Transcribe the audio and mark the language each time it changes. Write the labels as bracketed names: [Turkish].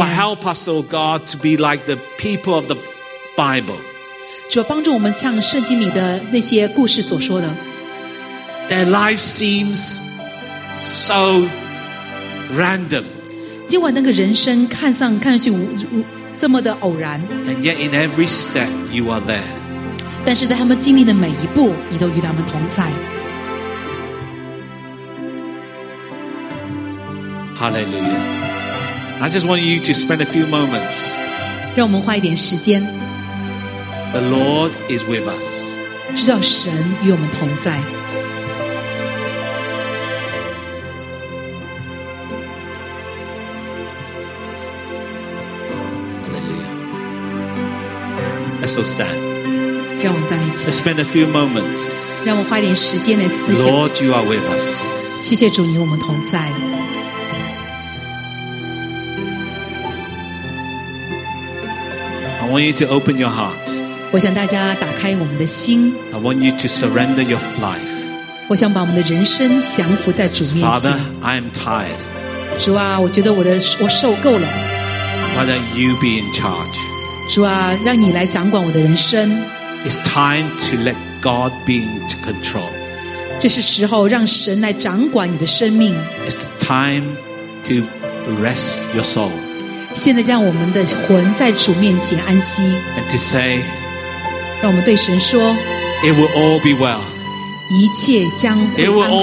[English] But help us, O God, to be like the people of the Bible. [Chinese] 主啊，帮助我们像圣经里的那些故事所说的。 [English] Their life seems. So random. [Chinese] 今晚那个人生看上去这么的偶然。 [English] And yet in every step you are there. [Chinese] 但是在他们经历的每一步，你都与他们同在。 [English] Hallelujah. I just want you to spend a few moments. [Chinese] 让我们花一点时间。 [English] The Lord is with us. [Chinese] 知道神与我们同在。 [English] So stand. [Chinese] 让我们站立起来。 [English] Spend a few moments. [Chinese] 让我花一点时间来思想。 [English] Lord, you are with us. [Chinese] 谢谢主，你与我们同在。 [English] I want you to open your heart. [Chinese] 我想大家打开我们的心。 [English] I want you to surrender your life. [Chinese] 我想把我们的人生降服在主面前。 [English] Father, I am tired. [Chinese] 主啊，我觉得我受够了。 [English] Why don't you be in charge? [Chinese] 主啊，让你来掌管我的人生。 [English] It's time to let God be in control. [Chinese] 这是时候让神来掌管你的生命。 [English] It's time to rest your soul. [Chinese] 现在让我们的魂在主面前安息。 [English] And to say, [Chinese] 让我们对神说 [English] ，It will all be well. [Chinese] 一切将会安好。